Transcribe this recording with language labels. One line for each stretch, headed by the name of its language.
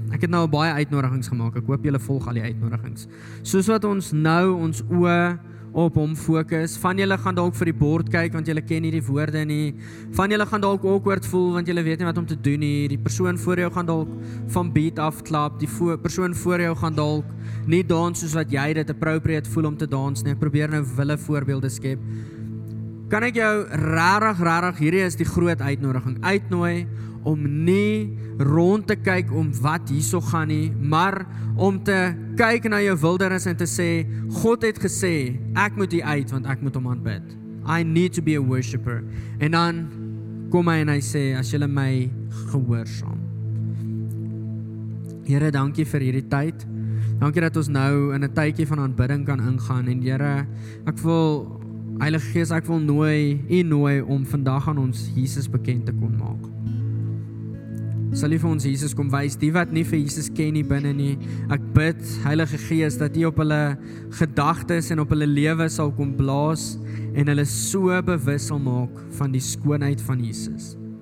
Afrikaans: Ek het nou baie uitnodigings gemaak. Ek hoop julle volg al die uitnodigings. Soos wat ons nou ons oë op hom fokus. Van julle gaan dalk vir die bord kyk want julle ken hierdie woorde nie. Van julle gaan dalk awkward voel want julle weet nie wat om te doen nie. Die persoon voor jou gaan dalk van beat af klap. Die persoon voor jou gaan dalk nie dans soos wat jy dit appropriate voel om te dans nie. Ek probeer nou wille voorbeelde skep. Kan ek jou rarig, rarig, hierdie is die groot uitnodiging, uitnooi om nie rond te kyk om wat hier so gaan nie, maar om te kyk na jou wildernis en te sê, God het gesê, ek moet hier uit, want ek moet hom aanbid.
English: I need to be a worshipper.
Afrikaans: En dan kom hy en hy sê, as jy my gehoorsaam. Here, dankie vir hierdie tyd. Dankie dat ons nou in 'n tydjie van aanbidding kan ingaan. En Here, ek wil, Heilige Gees, ek wil nooi, u nooi om vandag aan ons Jesus bekend te kon maak. Sal u vir ons Jesus kom wys, die wat nie vir Jesus ken nie binne nie. Ek bid, Heilige Gees, dat u op hulle gedagtes en op hulle lewe sal kom blaas en hulle so bewus sal maak van die skoonheid van Jesus.